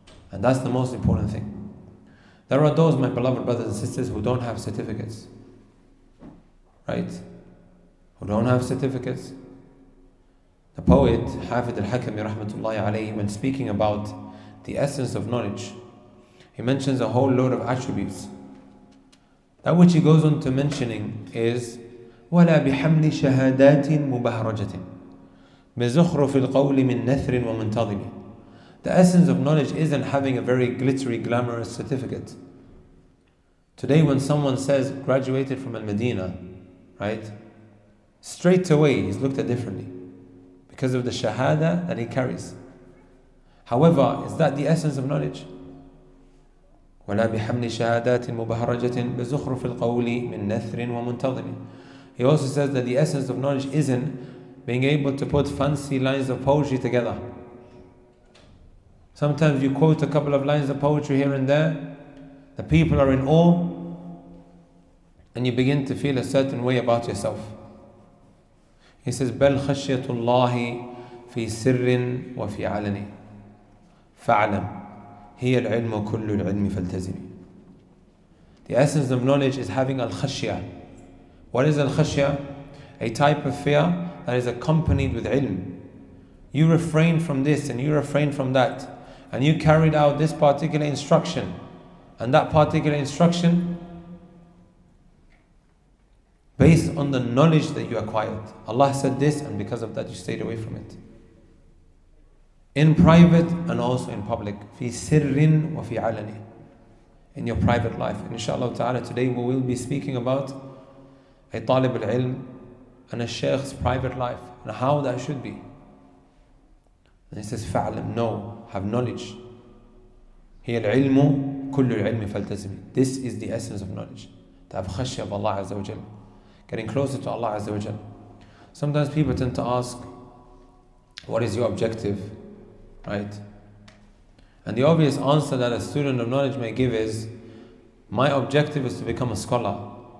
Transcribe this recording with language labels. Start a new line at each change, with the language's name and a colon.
English: And that's the most important thing. There are those, my beloved brothers and sisters, who don't have certificates, right? Who don't have certificates. The poet, Hafid al-Hakami rahmatullahi alayhi, when speaking about the essence of knowledge, he mentions a whole load of attributes.
Arabic: That which he goes on to mentioning is, وَلَا بِحَمْلِ شَهَادَاتٍ مُبَهْرَجَةٍ بِزُخْرُفِ الْقَوْلِ مِنْ نَثْرٍ وَمِنْ تَظِمٍ.
English: The essence of knowledge isn't having a very glittery, glamorous certificate. Today when someone says, graduated from Al-Madinah, right? Straight away, he's looked at differently. Because of the shahada that he carries. However, is that the essence of knowledge?
Arabic: ولا بحمل شهادات مبهرجة بزخرف القول من نثر ومنتظر.
English: He also says that the essence of knowledge isn't being able to put fancy lines of poetry together. Sometimes you quote a couple of lines of poetry here and there, the people are in awe, and you begin to feel a certain way about yourself.
Arabic: He says, بَلْ خَشْيَةُ اللَّهِ فِي سِرٍّ وَفِي عَلَنِي فَعْلَمْ هِيَ الْعِلْمُ كُلُّ الْعِلْمِ فَالْتَزِمِ.
English: The essence of knowledge is having al-khashya. What is al-khashya? A type of fear that is accompanied with ilm. You refrain from this and you refrain from that, and you carried out this particular instruction and that particular instruction based on the knowledge that you acquired. Allah said this, and because of that you stayed away from it. In private and also in public.
Arabic: في سر وفي علني.
English: In your private life. And inshallah ta'ala, today we will be speaking about a talib al-ilm and a sheikh's private life and how that should be. And he says,
Arabic: فعلم,
English: know, have knowledge.
Arabic: هي العلم كل العلم فالتزمي.
English: This is the essence of knowledge. To have khashy of Allah Azza wa Jal. Getting closer to Allah Azza wa Jal. Sometimes people tend to ask, what is your objective? Right? And the obvious answer that a student of knowledge may give is, my objective is to become a scholar.